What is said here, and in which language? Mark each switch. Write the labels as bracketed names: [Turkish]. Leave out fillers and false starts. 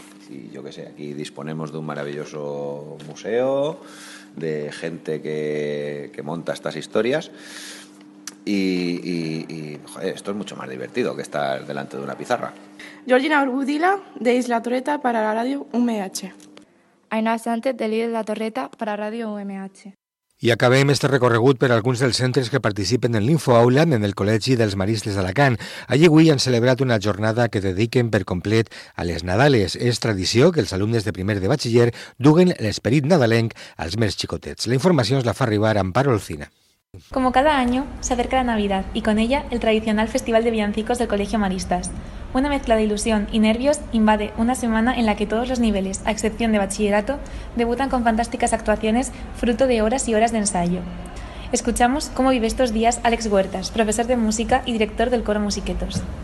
[Spanish] Y yo qué sé, aquí disponemos de un maravilloso museo, de gente que monta estas historias. Y joder, esto es mucho más divertido que estar delante de una pizarra. Georgina Orgudila, de Isla Torreta, para la radio UMH. Ainhoa Sánchez, de Líder de la Torreta, para radio UMH. [Catalan] I acabem este recorregut per alguns dels centres que participen en l'InfoAula en el Col·legi dels Maristes d'Alacant. Allí avui han celebrat una jornada que dediquen per complet a les Nadales. És tradició que els alumnes de primer de batxiller duguen l'esperit nadalenc als més xicotets. La informació es la fa arribar Amparo Alcina. [Spanish] Como cada año, se acerca la Navidad y con ella el tradicional Festival de Villancicos del Colegio Maristas. Una mezcla de ilusión y nervios invade una semana en la que todos los niveles, a excepción de bachillerato, debutan con fantásticas actuaciones fruto de horas y horas de ensayo. Escuchamos cómo vive estos días Alex Huertas, profesor de música y director del coro Musiquetos.